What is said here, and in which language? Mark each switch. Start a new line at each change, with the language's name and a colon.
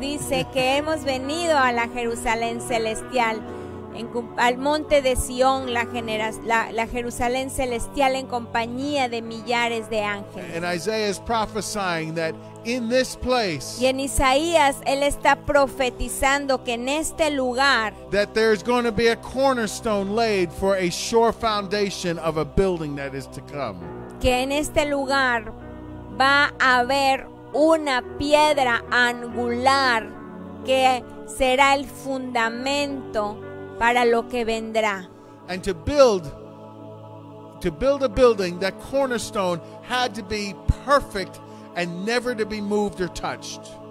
Spanish: dice que hemos venido a la Jerusalén celestial, al monte de Sion, la Jerusalén celestial en compañía de millares de ángeles.
English: And Isaiah is prophesying that in this place,
Spanish: y en Isaías él está profetizando que en este lugar,
English: that there's going to be a cornerstone laid for a sure foundation of a building that is to come.
Spanish: Que en este lugar va a haber una piedra angular que será el fundamento para lo que vendrá.
English: And to build a building, that cornerstone had to be perfect and never to be moved or touched.